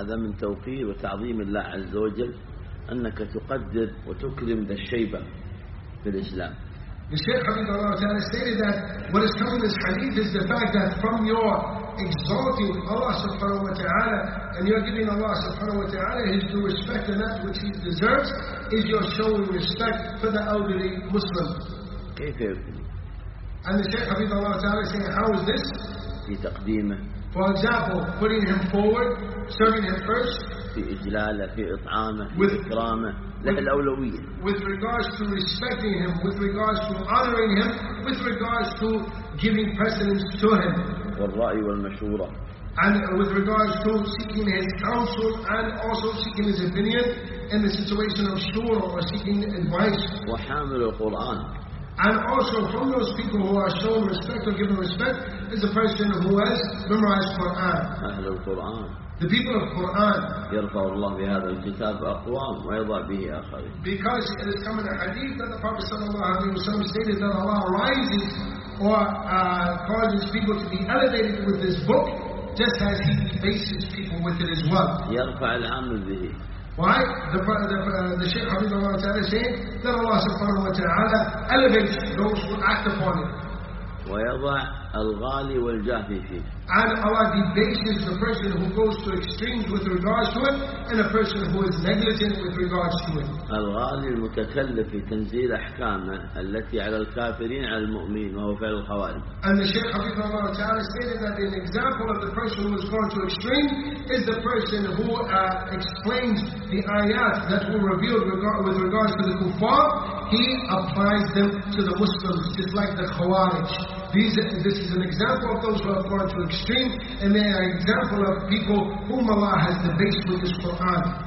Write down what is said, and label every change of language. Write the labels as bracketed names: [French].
[Arabic] هذا من توقير وتعظيم الله عز وجل أنك تقدر وتكرم ذا الشيبة. في الإسلام. [English] The Shaykh Habib Allah Ta'ala stated that what is coming in this hadith is the fact that from your exalting Allah subhanahu wa ta'ala and you're giving Allah subhanahu wa ta'ala his due respect and that which he deserves is your showing respect for the elderly Muslim. And the Shaykh Habib Allah Ta'ala saying, how is this? [Arabic] في تقديمه. [English] For example, putting him forward, serving him first. [Arabic] في إجلاله في إطعامه في إكرامه له الأولوية. [English] With regards to respecting him, with regards to honoring him, with regards to giving precedence to him. [Arabic] والرأي والمشورة. [English] And with regards to seeking his counsel and also seeking his opinion in the situation of shur or seeking advice. [Arabic] وحامل القرآن. [English] And also from those people who are shown respect or given respect is a person who has memorized Quran. [Arabic] أهل القرآن. [English] The people of Quran. [Arabic] يرفع الله بهذا الكتاب أقوام ويضع به آخرين. [English] Because it has come in a hadith that the Prophet [Arabic] صلى الله عليه وسلم [English] stated that Allah rises or causes people to be elevated with this book, just as He debases people with it as well. [Arabic] يرفع العامل به. [English] Why? The Shaykh Habibullah Ta'ala saying that Allah subhanahu wa ta'ala elevates those who act upon it. [Arabic] ويضع الغالي والجافي فيه. [English] And Allah debases the person who goes to extremes with regards to it and a person who is negligent with regards to it. [Arabic] الغالي المتكلف في تنزيل أحكامه التي على الكافرين على المؤمنين وهو فعل الخوارج. [English] And the Shaykh Habibullah Ta'ala stated that an example of the person who is going to extreme is the person who explains the ayat that were revealed with regards to the kuffar. He applies them to the Muslims, just like the Khawarij. This is an example of those who have gone to extreme, and they are an example of people whom Allah has debased with this Quran.